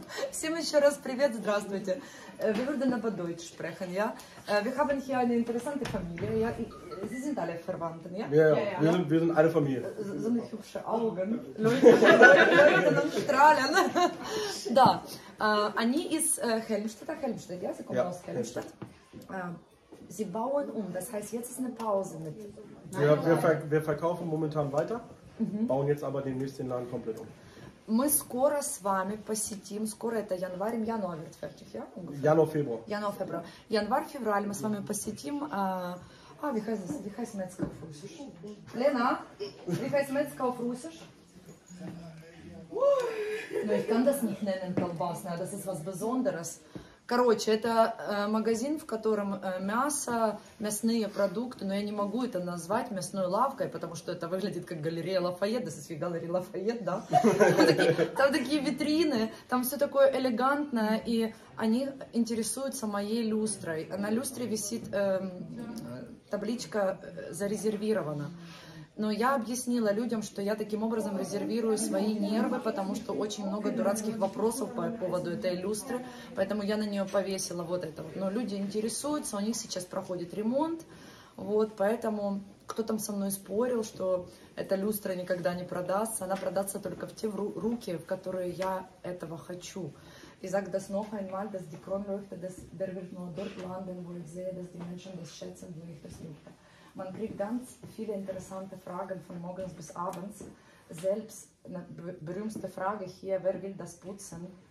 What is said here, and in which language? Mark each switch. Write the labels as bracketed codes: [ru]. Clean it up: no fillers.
[ru] Всем еще раз привет, здравствуйте. [de] Wir würden aber Deutsch sprechen, ja? Wir haben hier eine interessante Familie. Ja? Sie sind alle Verwandten, ja? Ja, ja. Wir sind alle Familie. So eine hübsche Augen. Leute, und strahlen. Da. [ru] Они из Хельмштадта. Хельмштадт, ja? [de] Sie kommen aus Хельмштадт. Sie bauen um. Das heißt, jetzt ist eine Pause mit. Wir verkaufen momentan weiter. Mhm. Bauen jetzt aber demnächst den Laden komplett um. [ru] Мы скоро с вами посетим, скоро это январь, январь будет [de] fertig, ja? Januar-Februar. Januar-Februar. [ru] Январь-февраль мы с вами посетим. [de] Wie heißt Metzger auf Russisch? Lena, wie heißt Metzger auf Russisch? Ну, ich kann das nicht nennen, колбасная, das ist was Besonderes. [ru] Короче, это магазин, в котором мясо, мясные продукты, но я не могу это назвать мясной лавкой, потому что это выглядит как галерея Лафайет, [en] this is the gallery Lafayette, [ru] да? Там такие витрины, там все такое элегантное, и они интересуются моей люстрой. На люстре висит табличка «Зарезервировано». Но я объяснила людям, что я таким образом резервирую свои нервы, потому что очень много дурацких вопросов по поводу этой люстры, поэтому я на нее повесила вот это вот. Но люди интересуются, у них сейчас проходит ремонт, вот, поэтому кто там со мной спорил, что эта люстра никогда не продастся, она продастся только в те руки, в которые я этого хочу. [de] Ich sage das noch einmal, dass die Kronleuchte, der wird nur dort landen, wo ich sehe, dass die Menschen das schätzen, wo ich das liebe. Man kriegt ganz viele interessante Fragen von morgens bis abends. Selbst eine berühmte Frage hier, wer will das putzen?